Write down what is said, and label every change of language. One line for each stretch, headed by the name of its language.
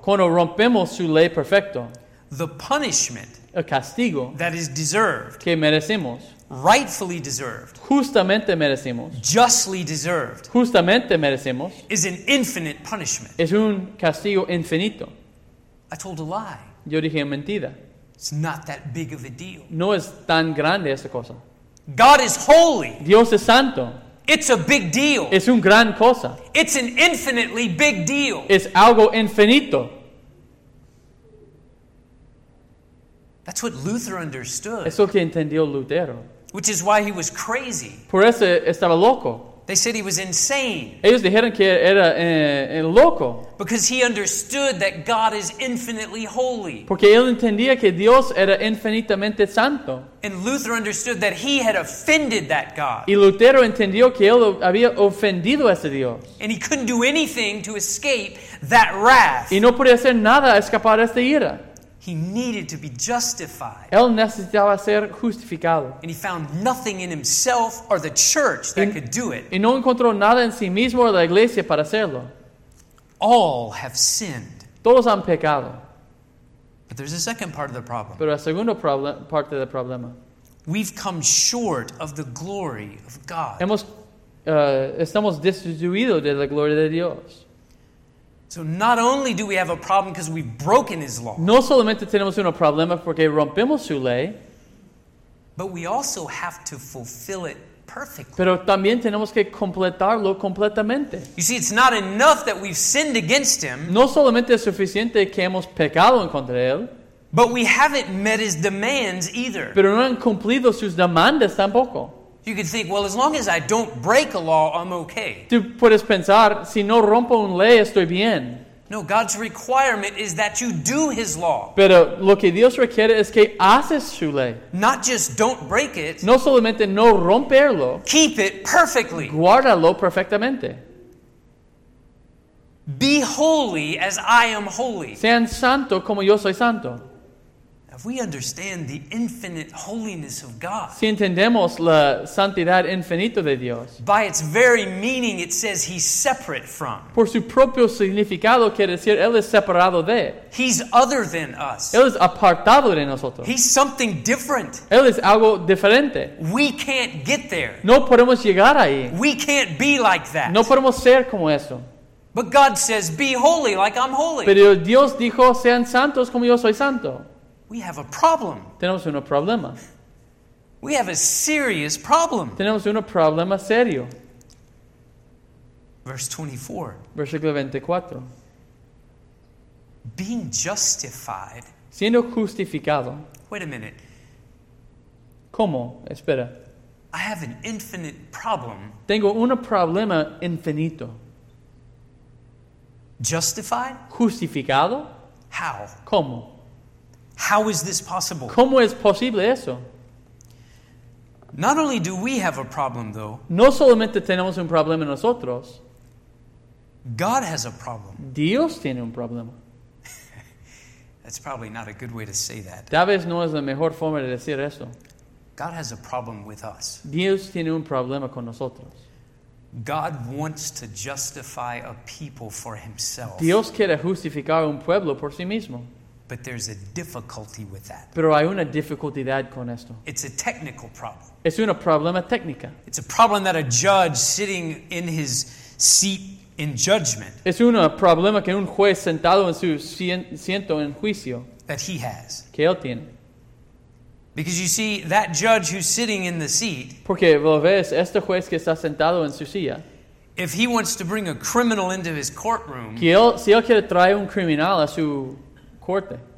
Spanish: Cuando rompemos su ley perfecto.
English: The punishment,
Spanish: el castigo,
English: that is deserved,
Spanish: que merecemos,
English: rightfully deserved,
Spanish: justamente merecemos,
English: justly deserved,
Spanish: justamente merecemos,
English: is an infinite punishment.
Spanish: Es un castigo infinito.
English: I told a lie.
Spanish: Yo dije mentira.
English: It's not that big of a deal.
Spanish: No es tan grande esta cosa.
English: God is holy.
Spanish: Dios es santo.
English: It's a big deal.
Spanish: Es un gran cosa.
English: It's an infinitely big deal.
Spanish: Es algo infinito.
English: That's what Luther understood.
Spanish: Eso que entendió Lutero.
English: Which is why he was crazy.
Spanish: Por eso estaba loco.
English: They said he was insane.
Spanish: Ellos dijeron que era loco.
English: Because he understood that God is infinitely holy.
Spanish: Porque él entendía que Dios era infinitamente santo.
English: And Luther understood that he had offended that God.
Spanish: Y Lutero entendió que él había ofendido a ese Dios.
English: And he couldn't do anything to escape that wrath.
Spanish: Y no podía hacer nada a escapar de esta ira.
English: He needed to be justified.
Spanish: Él necesitaba ser justificado.
English: And he found nothing in himself or the church that could do it.
Spanish: Y no encontró nada en sí mismo o la iglesia para hacerlo.
English: All have sinned.
Spanish: Todos han pecado.
English: But there's a second part of the problem.
Spanish: Pero la segunda parte del problema.
English: We've come short of the glory of God.
Spanish: Estamos destituidos de la gloria de Dios.
English: So not only do we have a problem because we've broken his law.
Spanish: No solamente tenemos un problema porque rompimos su ley.
English: But we also have to fulfill it perfectly.
Spanish: Pero también tenemos que completarlo completamente.
English: You see, it's not enough that we've sinned against him.
Spanish: No solamente es suficiente que hemos pecado en contra de él.
English: But we haven't met his demands either.
Spanish: Pero no han cumplido sus demandas tampoco.
English: You could think, well, as long as I don't break a law, I'm okay.
Spanish: Tú puedes pensar, si no rompo una ley, estoy bien.
English: No, God's requirement is that you do his law.
Spanish: Pero lo que Dios requiere es que haces su ley.
English: Not just don't break it.
Spanish: No solamente no romperlo.
English: Keep it perfectly.
Spanish: Guárdalo perfectamente.
English: Be holy as I am holy.
Spanish: Sean santo como yo soy santo.
English: If we understand the infinite holiness of God,
Spanish: si entendemos la santidad infinita de Dios,
English: by its very meaning, it says he's separate from.
Spanish: Por su propio significado quiere decir él es separado de.
English: He's other than us.
Spanish: Él es apartado de nosotros.
English: He's something different.
Spanish: Él es algo diferente.
English: We can't get there.
Spanish: No podemos llegar ahí.
English: We can't be like that.
Spanish: No podemos ser como eso.
English: But God says, "Be holy, like I'm holy."
Spanish: Pero Dios dijo, sean santos como yo soy santo.
English: We have a problem.
Spanish: Tenemos un problema.
English: We have a serious problem.
Spanish: Tenemos un problema serio.
English: Verse 24.
Spanish: Versículo 24.
English: Being justified.
Spanish: Siendo justificado.
English: Wait a minute.
Spanish: ¿Cómo? Espera.
English: I have an infinite problem.
Spanish: Tengo un problema infinito.
English: Justified?
Spanish: Justificado?
English: How?
Spanish: ¿Cómo?
English: How is this possible?
Spanish: ¿Cómo es posible eso?
English: Not only do we have a problem, though.
Spanish: No solamente tenemos un problema nosotros.
English: God has a problem.
Spanish: Dios tiene un problema.
English: That's probably not a good way to say that.
Spanish: Tal vez no es la mejor forma de decir eso.
English: God has a problem with us.
Spanish: Dios tiene un problema con nosotros.
English: God wants to justify a people for himself.
Spanish: Dios quiere justificar un pueblo por sí mismo.
English: But there's a difficulty with that.
Spanish: Pero hay una dificultad con esto.
English: It's a technical problem.
Spanish: Es un problema técnico.
English: It's a problem that a judge sitting in his seat in judgment.
Spanish: Es un problema que un juez sentado en su asiento en juicio.
English: That he has.
Spanish: Que él tiene.
English: Because you see, that judge who's sitting in the seat.
Spanish: Porque lo ves, este juez que está sentado en su silla.
English: If he wants to bring a criminal into his courtroom.
Spanish: Que él, si él quiere traer un criminal a su corte.